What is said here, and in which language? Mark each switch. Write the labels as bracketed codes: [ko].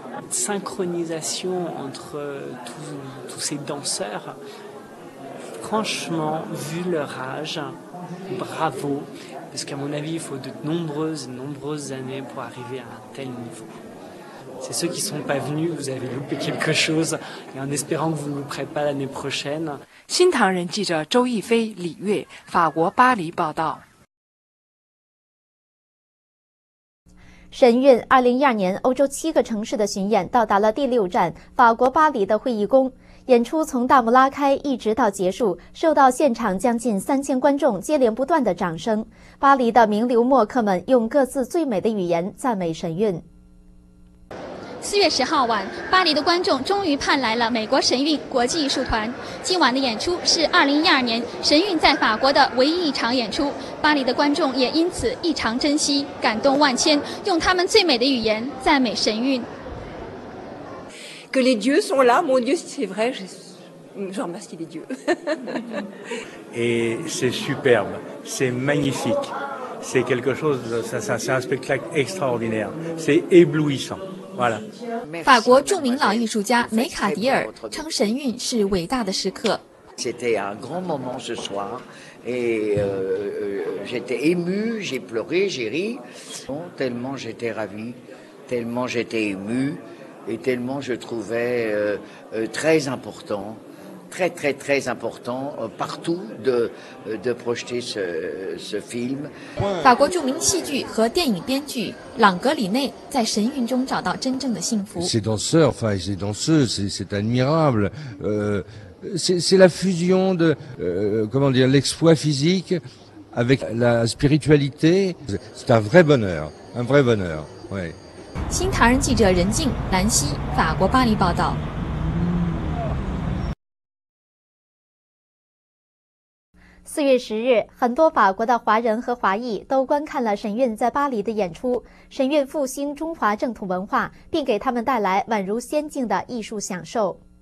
[fr] Synchronisation entre tous ces danseurs, franchement, vu leur âge, bravo. Parce qu'à mon avis, il faut de nombreuses, nombreuses années pour arriver à un tel niveau. C'est ceux qui ne sont pas venus, vous avez loupé quelque chose, et en espérant que vous ne louperez pas l'année prochaine. [zh] 新唐人记者周逸飞、李月，法国巴黎报道。神韵2012年欧洲七个城市的巡演到达了第六站，法国巴黎的会议宫。演出从大幕拉开一直到结束，受到现场将近3000观众接连不断的掌声。巴黎的名流墨客们用各自最美的语言赞美神韵。 4月10号晚，巴黎的观众终于盼来了美国神韵国际艺术团。今晚的演出是2012年神韵在法国的唯一一场演出，巴黎的观众也因此异常珍惜，感动万千，用他们最美的语言赞美神韵。 [fr] Que les dieux sont là, mon Dieu, c'est vrai, je remercie les dieux. Et c'est superbe, c'est magnifique, c'est quelque chose, c'est un spectacle extraordinaire, c'est éblouissant. Voilà. [zh] 法国著名老艺术家梅卡迪尔称神韵是伟大的时刻。 [fr] C'était un grand moment ce soir, et j'étais ému, j'ai pleuré, j'ai ri, tellement j'étais ravi, tellement j'étais ému. Et tellement je trouvais très important, très très très important partout de projeter ce film. [zh] 法国著名戏剧和电影编剧朗格里内在神韵中找到真正的幸福。 [fr] Ces danseurs, enfin ces danseuses, c'est admirable. C'est la fusion de comment dire l'exploit physique avec la spiritualité. C'est un vrai bonheur, un vrai bonheur. Ouais. [zh] 新唐人记者任静、兰西，法国巴黎报道。四月十日，很多法国的华人和华裔都观看了神韵在巴黎的演出。神韵复兴中华正统文化，并给他们带来宛如仙境的艺术享受。